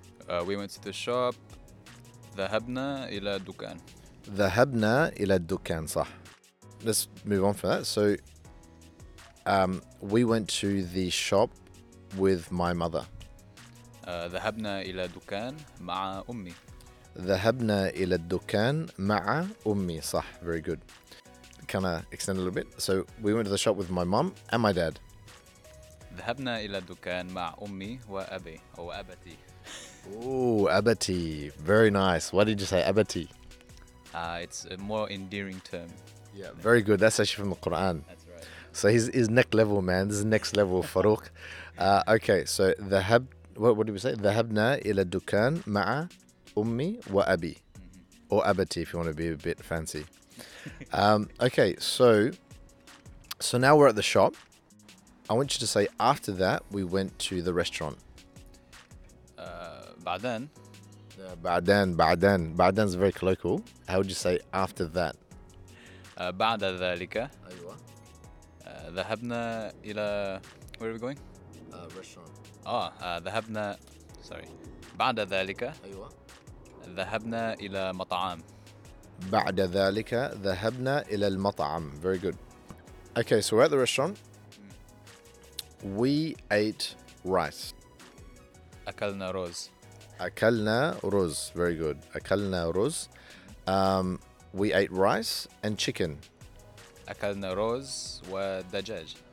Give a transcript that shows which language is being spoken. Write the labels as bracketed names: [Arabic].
[Arabic] ذهبنا إلى الدكان. ذهبنا إلى الدكان صح. [English] Let's move on from that. So, we went to the shop with my mother. [Arabic] ذهبنا إلى الدكان مع أمي. ذهبنا إلى الدكان مع أمي صح. [English] Very good. Kind of extend a little bit. So we went to the shop with my mom and my dad. [Arabic] ذهبنا إلى الدكان مع أمي وأبي أو أبتي. [English] Ooh, abati. Very nice. Why did you say abati? It's a more endearing term. Yeah, very good. That's actually from the Quran. That's right. So he's next level, man. This is next level, Farooq. Okay, so what did we say? [Arabic] Dhahabna ila dukan ma'a ummi wa abi. [English] Or abati if you want to be a bit fancy. Okay, so now we're at the shop. I want you to say after that we went to the restaurant. [Arabic] بعدين [English] is very colloquial. How would you say after that? [Arabic] بعد ذلك. أيوة. ذهبنا إلى. [English] Where are we going? Restaurant. [Arabic] ذهبنا. Sorry. بعد ذلك. أيوة. ذهبنا إلى مطعم. بعد ذلك ذهبنا إلى المطعم. [English] Very good. Okay, so we're at the restaurant. We ate rice. [Arabic] أكلنا روز. Akalna ruz, [English] very good. Akalna ruz. We ate rice and chicken. [Arabic] Akalna ruz wa dajaj.